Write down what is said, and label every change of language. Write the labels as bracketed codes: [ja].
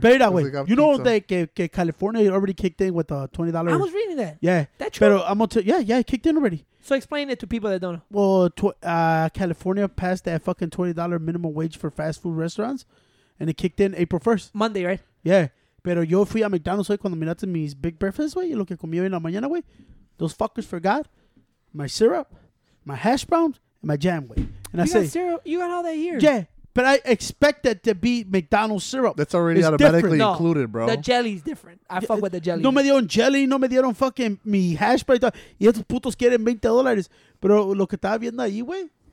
[en] But that way, you know that California already kicked in with a $20. I was reading that. Yeah. That's true. But I'm going to it kicked in already. So explain it to people that don't know. Well, California passed that fucking $20 minimum wage for fast food restaurants, and it kicked in April 1st. Monday, right? Yeah. [es] Pero yo fui a McDonald's hoy cuando miraste mis [en] big breakfast, [es] güey, y lo que comí hoy en la mañana, güey. [en] Those fuckers forgot my syrup, my hash browns, and my jam, güey. And you got syrup? You got all that here? Yeah. But I expect that to be McDonald's syrup. That's already automatically included, bro. The jelly's different. I fuck with the jelly. [es] No me dieron jelly. No me dieron fucking mi hash brown. Y estos putos quieren $20. Pero lo que estaba viendo ahí, güey.